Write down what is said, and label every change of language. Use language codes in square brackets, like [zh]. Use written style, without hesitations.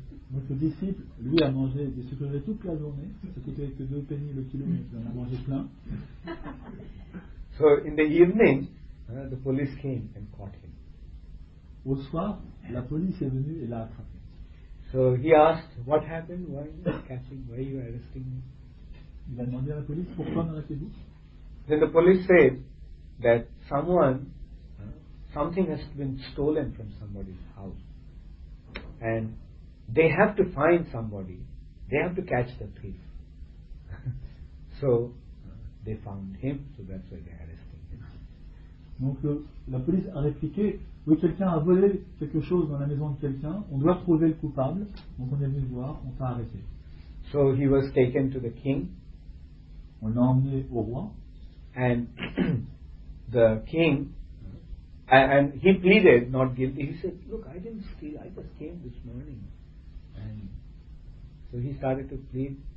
[fr] Notre disciple, lui, a mangé des sucreries toute la journée. Ça coûtait que 2 pennies le kilo, mais il en a mangé plein. [en] So in the evening, the police came and caught him. [fr] Au soir, la police est venue et l'a attrapé. [en] So he asked, "What happened? Why are you catching? Why are you arresting me?" [fr] Il a demandé à la police, pourquoi m'arrêtez-vous? [en] Then the police said that someone, something has been stolen from somebody's house. And they have to find somebody. They have to catch the thief. So they found him, so that's why they arrested him. [fr] Donc la police a répliqué, oui, quelqu'un a volé quelque chose dans la maison de quelqu'un, on doit trouver le coupable, donc on est venu le voir, on t'a arrêté. [en] So he was taken to the king. [fr] On l'a emmené au roi. [en] And the king, and he pleaded not guilty. He said, look, I didn't steal, I just came this morning. And so he started to plead.